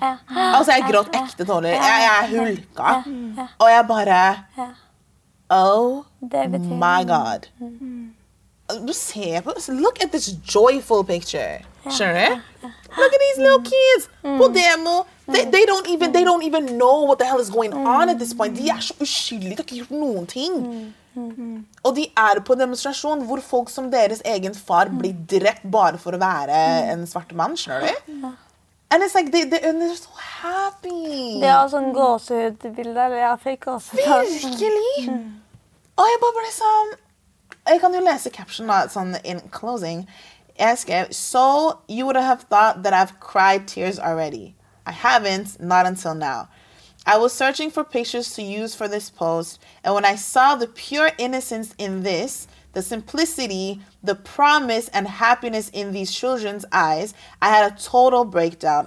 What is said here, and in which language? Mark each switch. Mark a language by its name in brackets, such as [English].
[Norwegian] Altså, jeg gråt ekte tårer. Jeg er hulka. Og jeg bare [English] «Oh my god!» [Norwegian] Se på, [English] look at this joyful picture. [Norwegian] Skjønner du? [English] Look at these little kids [Norwegian] på demo. [English] They don't even know what the hell is going on at this point. [Norwegian] De er så uskyldige, de har ikke gjort noen ting. Og de er på en demonstrasjon hvor folk som deres egen far blir drept bare for å være en svart mann, skjønner du? [English] And it's like, they're so happy. [Norwegian] Det er sånn gåsehudbilder i Afrika også. Virkelig? Og jeg bare ble sånn, jeg kan jo lese caption da, sånn [English] in closing. [Norwegian] Jeg skrev, [English] so you would have thought that I've cried tears already. I haven't, not until now. I was searching for pictures to use for this post, and when I saw the pure innocence in this, the simplicity, the promise, and happiness in these children's eyes, I had a total breakdown.